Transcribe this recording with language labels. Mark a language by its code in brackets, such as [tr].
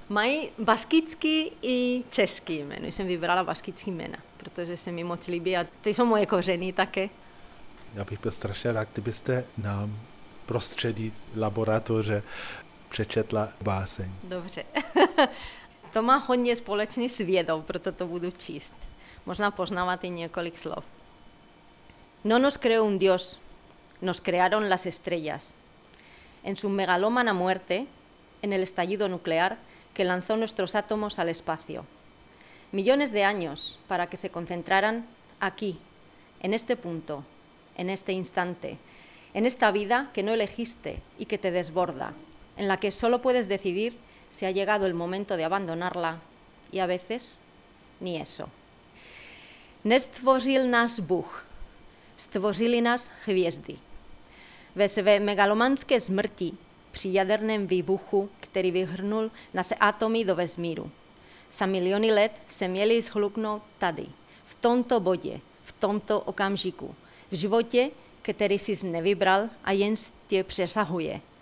[cs] Mají baskický i český jméno. Jsem vybrala baskický jména, protože se mi moc líbí a ty jsou moje kořeny také. Já bych byl strašně rád, kdybyste nám v prostředí laboratoře přečetla báseň. Dobře. To má hodně společný s vědou, proto to budu číst. Možná poznávat i několik slov. [es] No nos creó un dios, nos crearon las estrellas. En su megalómana muerte, en el estallido nuclear que lanzó nuestros átomos al espacio. Millones de años para que se concentraran aquí, en este punto, en este instante, en esta vida que no elegiste y que te desborda, en la que solo puedes decidir si ha llegado el momento de abandonarla y a veces ni eso. [cs] Nestvořil nás Bůh, stvořili nás hvězdy. Ve své megalomanské smrti při jaderném výbuchu, který vyhrnul naše atomy do vesmíru, za miliony let se měli shluknout tady, v tomto bodě, v tomto okamžiku, v životě, který jsi nevybral a jen tě přesahuje.